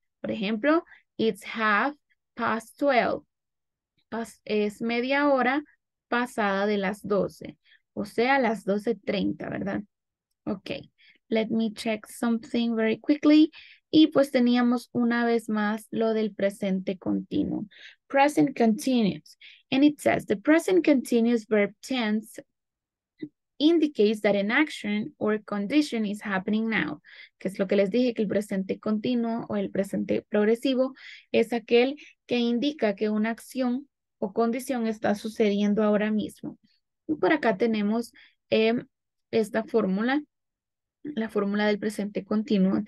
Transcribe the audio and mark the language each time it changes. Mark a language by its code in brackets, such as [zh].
[es] Por ejemplo, [en] it's 12:30. [es] Es media hora pasada de las 12. O sea, las 12:30, ¿verdad? [en] Ok, let me check something very quickly. [es] Y pues teníamos una vez más lo del presente continuo. [en] Present continuous. And it says, the present continuous verb tense indicates that an action or condition is happening now. [es] Que es lo que les dije, que el presente continuo o el presente progresivo es aquel que indica que una acción o condición está sucediendo ahora mismo. Y por acá tenemos esta fórmula, la fórmula del presente continuo.